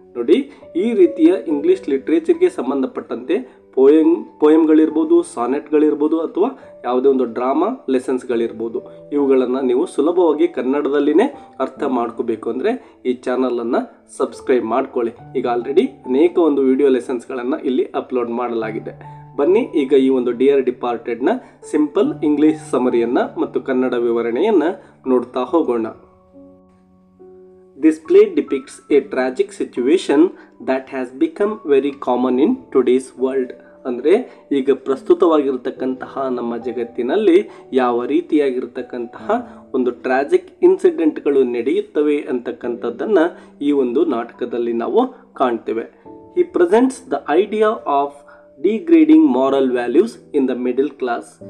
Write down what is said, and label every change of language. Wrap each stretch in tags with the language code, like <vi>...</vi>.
<kn>ನೋಡಿ, ಈ ರೀತಿಯ ಇಂಗ್ಲೀಷ್ ಲಿಟ್ರೇಚರ್ಗೆ ಸಂಬಂಧಪಟ್ಟಂತೆ ಪೋಯಮ್ಗಳಿರ್ಬೋದು, ಸಾನೆಟ್ಗಳಿರ್ಬೋದು, ಅಥವಾ ಯಾವುದೇ ಒಂದು ಡ್ರಾಮಾ ಲೆಸನ್ಸ್ಗಳಿರ್ಬೋದು, ಇವುಗಳನ್ನು ನೀವು ಸುಲಭವಾಗಿ ಕನ್ನಡದಲ್ಲೇ ಅರ್ಥ ಮಾಡ್ಕೋಬೇಕು ಅಂದರೆ ಈ ಚಾನಲನ್ನು ಸಬ್ಸ್ಕ್ರೈಬ್ ಮಾಡ್ಕೊಳ್ಳಿ. ಈಗ ಆಲ್ರೆಡಿ ಅನೇಕ ಒಂದು ವಿಡಿಯೋ ಲೆಸನ್ಸ್ಗಳನ್ನು ಇಲ್ಲಿ ಅಪ್ಲೋಡ್ ಮಾಡಲಾಗಿದೆ. ಬನ್ನಿ ಈಗ ಈ ಒಂದು ಡಿಯರ್ ಡಿಪಾರ್ಟೆಡ್ನ ಸಿಂಪಲ್ ಇಂಗ್ಲೀಷ್ ಸಮರಿಯನ್ನು ಮತ್ತು ಕನ್ನಡ ವಿವರಣೆಯನ್ನು ನೋಡ್ತಾ ಹೋಗೋಣ.</kn> <en>This play depicts a tragic situation that has become very common in today's world.</en> <kn>ಅಂದರೆ ಈಗ ಪ್ರಸ್ತುತವಾಗಿರತಕ್ಕಂತಹ ನಮ್ಮ ಜಗತ್ತಿನಲ್ಲಿ ಯಾವ ರೀತಿಯಾಗಿರತಕ್ಕಂತಹ ಒಂದು ಟ್ರ್ಯಾಜಿಕ್ ಇನ್ಸಿಡೆಂಟ್ಗಳು ನಡೆಯುತ್ತವೆ ಅಂತಕ್ಕಂಥದ್ದನ್ನು ಈ ಒಂದು ನಾಟಕದಲ್ಲಿ ನಾವು ಕಾಣ್ತೇವೆ.</kn> <en>ಈ presents the idea of degrading moral values in the middle class.</en>